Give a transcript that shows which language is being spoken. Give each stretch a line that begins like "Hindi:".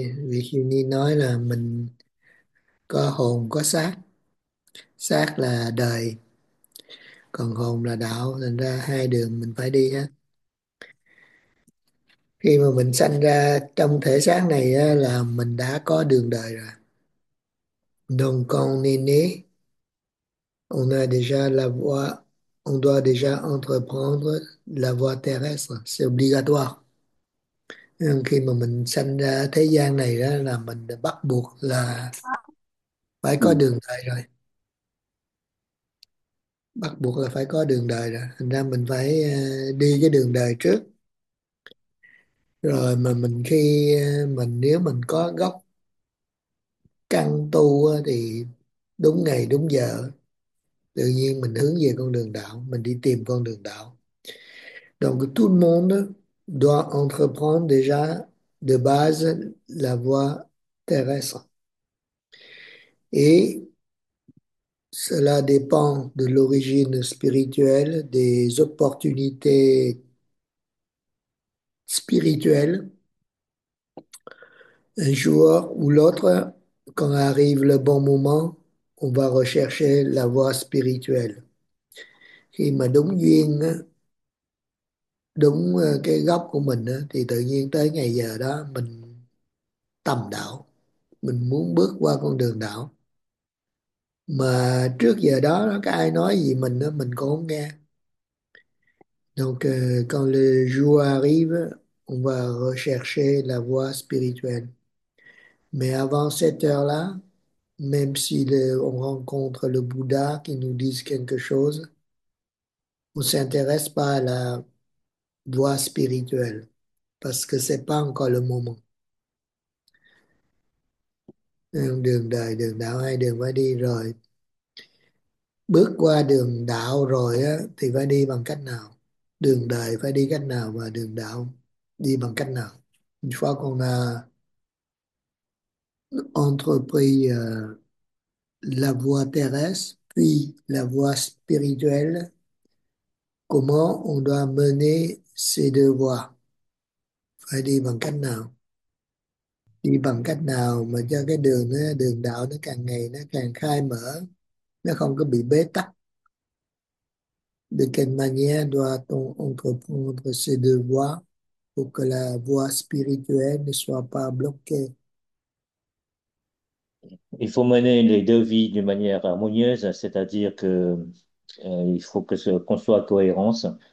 Vietnamese: Vì khi Ni nói là mình có hồn, có xác. Xác là đời, còn hồn là đạo, thành ra hai đường mình phải đi á. Khi mà mình sanh ra trong thể xác này á, là mình đã có đường đời rồi.
French: Donc on est né, on a déjà la voie, on doit déjà entreprendre la voie terrestre, c'est obligatoire.
Vietnamese: Nhưng khi mà mình sanh ra thế gian này á, là mình bắt buộc là phải có đường đời rồi. Bắt buộc là phải có đường đời rồi, thành ra mình phải đi cái đường đời trước. Rồi mà mình khi mình nếu mình có gốc căn tu thì đúng ngày đúng giờ tự nhiên mình hướng về con đường đạo, mình đi tìm con đường đạo.
French: Donc tout le monde doit entreprendre déjà de base la voie terrestre. Et cela dépend de l'origine spirituelle, des opportunités spirituel, un jour ou l'autre, quand arrive le bon moment, on va rechercher la voie spirituelle.
Vietnamese: Khi mà đúng duyên, đúng cái gốc của mình thì tự nhiên tới ngày giờ đó mình tầm đạo, mình muốn bước qua con đường đạo. Mà trước giờ đó có ai nói gì mình cũng không nghe.
French: Donc, quand le jour arrive, on va rechercher la voie spirituelle. Mais avant cette heure-là, même si on rencontre le Bouddha qui nous dise quelque chose, on ne s'intéresse pas à la voie spirituelle parce que ce n'est pas encore le moment.
Vietnamese: Đường đời, đường đạo hay đường phải đi rồi. Bước qua đường đạo rồi á, thì phải đi bằng cách nào? Đường đời phải đi cách nào và đường đạo đi bằng cách nào?
French: Une fois qu'on a entrepris la voie terrestre, puis la voie spirituelle, comment on doit mener ces deux voies?
Vietnamese: Phải đi bằng cách nào? Đi bằng cách nào mà cho cái đường đó, đường đạo nó càng ngày nó càng khai mở, nó không có bị bế tắc.
French: De quelle manière doit-on entreprendre ces deux voies pour que la voie spirituelle ne soit pas bloquée? Il faut mener les deux vies d'une manière harmonieuse, c'est-à-dire que il faut que ce qu'on soit cohérence.